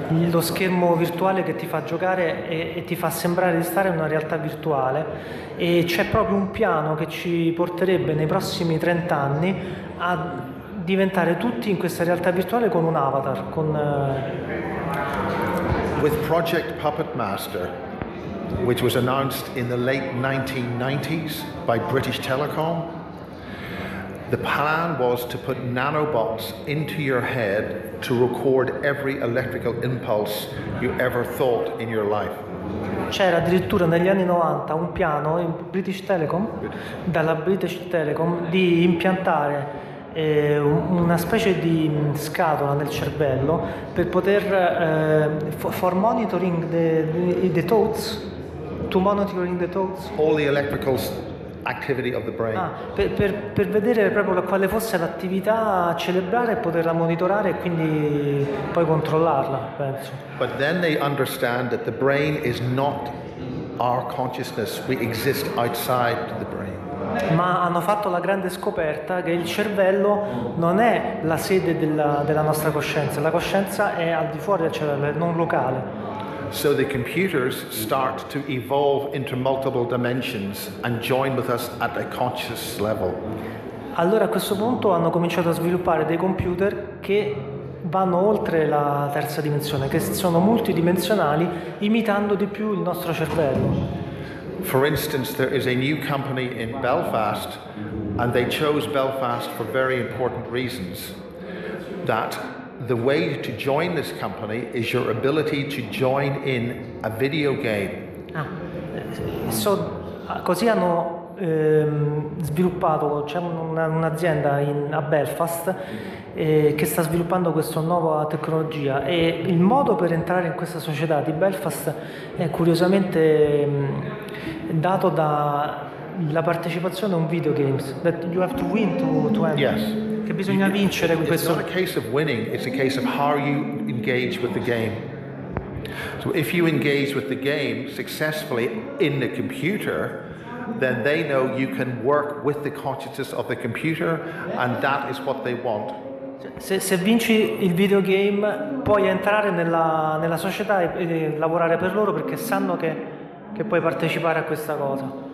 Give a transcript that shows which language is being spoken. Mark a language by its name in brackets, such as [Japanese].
[Italian] lo schermo virtuale che ti fa giocare e ti fa sembrare di stare in una realtà virtuale, e c'è proprio un piano che ci porterebbe nei prossimi 30 anni a diventare tutti in questa realtà virtuale con un avatar, con [English] with Project Puppet Master, which was announced in the late 1990s by British Telecom. The plan was to put nanobots into your head to record every electrical impulse you ever thought in your life. [Italian] C'era addirittura negli anni 90 un piano in British Telecom, dalla British Telecom, di impiantare una specie di scatola nel cervello per poter [English] for monitoring the thoughts, [Italian] to monitoring the thoughts, [English] all the electrical activity of the brain. [Italian] Ah, per vedere proprio quale fosse l'attività cerebrale e poterla monitorare e quindi poi controllarla, penso. [English] But then they understand that the brain is not our consciousness, we exist outside the brain. [Italian] Ma hanno fatto la grande scoperta che il cervello non è la sede della nostra coscienza, la coscienza è al di fuori del cervello, è non locale. [English] So the computers start to evolve into multiple dimensions and join with us at a conscious level. [Italian] Allora a questo punto hanno cominciato a sviluppare dei computer che vanno oltre la terza dimensione, che sono multidimensionali, imitando di più il nostro cervello. [English] For instance, there is a new company in Belfast, and they chose Belfast for very important reasons, that the way to join this company is your ability to join in a video game. [Italian] Ah, so, così hanno sviluppato, c'è un'azienda a Belfast che sta sviluppando questa nuova tecnologia e il modo per entrare in questa società di Belfast è curiosamente dato dalla partecipazione a un video game, [English] that you have to win to enter. Yes. [Italian] Che bisogna vincere in questo. [English] It's not a case of winning, it's a case of how you engage with the game. So if you engage with the game successfully in the computer, then they know you can work with the consciousness of the computer, and that is what they want. [Italian] Se vinci il videogame, puoi entrare nella società e lavorare per loro perché sanno che puoi partecipare a questa cosa.